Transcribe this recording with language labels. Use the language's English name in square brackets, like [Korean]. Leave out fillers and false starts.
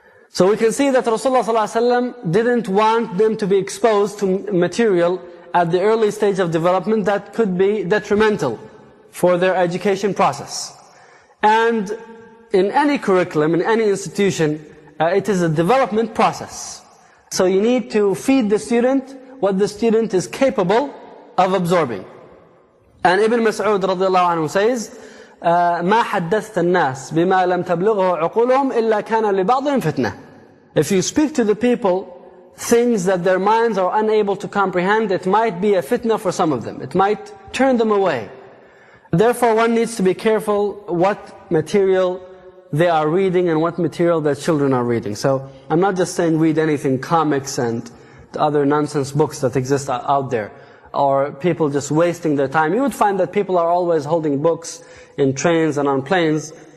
[English] So we can see that Rasulullah ﷺ didn't want them to be exposed to material at the early stage of development that could be detrimental for their education process. And in any curriculum, in any institution, it is a development process. So you need to feed the student what the student is capable of absorbing. And Ibn Mas'ud radiallahu anhu says, [Arabic] مَا حَدَّثْتَ النَّاسِ بِمَا لَمْ تَبْلُغَهُ عُقُولُهُمْ إِلَّا كَانَ لِبَعْضِهِمْ فِتْنَةٍ. [English] If you speak to the people things that their minds are unable to comprehend, it might be a fitna for some of them. It might turn them away. Therefore, one needs to be careful what material they are reading and what material their children are reading. So I'm not just saying read anything, comics and other nonsense books that exist out there, or people just wasting their time. You would find that people are always holding books in trains and on planes.